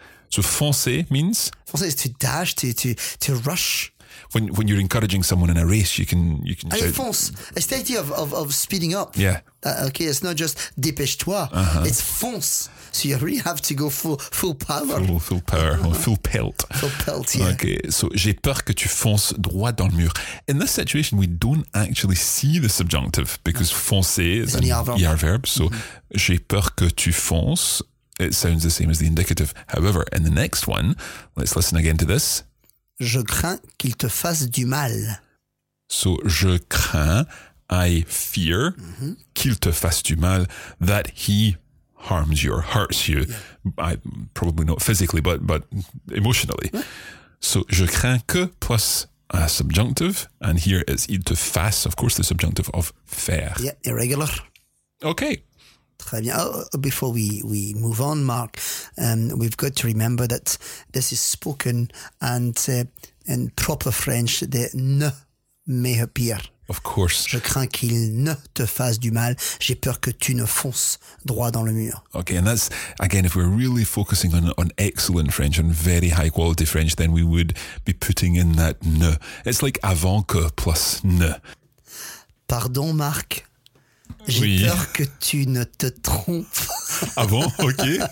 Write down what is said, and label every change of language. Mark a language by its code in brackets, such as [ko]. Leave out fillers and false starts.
[en] So foncer means? Foncer is to dash, to rush. When you're encouraging someone in a race, you can say, [fr] allez, fonce. [en] It's the idea of speeding up. Yeah. Okay, it's not just dépêche-toi, it's fonce. So you really have to go full power. Full power, full pelt. Full pelt, yeah. Okay, so [fr] j'ai peur que tu fonces droit dans le mur. [en] In this situation, we don't actually see the subjunctive because foncer is an ER verb. So [fr] j'ai peur que tu fonces, [en] it sounds the same as the indicative. However, in the next one, let's listen again to this. [fr] Je crains qu'il te fasse du mal. [en] So je crains, I fear, [fr] qu'il te fasse du mal, [en] that he harms you or hurts you. Yeah. Probably not physically, but emotionally. Yeah. So [fr] je crains que [en] plus a subjunctive, and here it's [fr] il te fasse, [en] of course, the subjunctive of faire. Yeah, irregular. Okay. Très bien. Oh, before we move on, Marc, we've got to remember that this is spoken and in proper French, the ne may appear. Of course. [fr] Je crains qu'il ne te fasse du mal. J'ai peur que tu ne fonces droit dans le mur. [en] Okay, and that's, again, if we're really focusing on excellent French, on very high quality French, then we would be putting in that ne. It's like avant que plus ne. [fr] Pardon, Marc. J'ai peur que tu ne te trompes. Ah bon? Ok.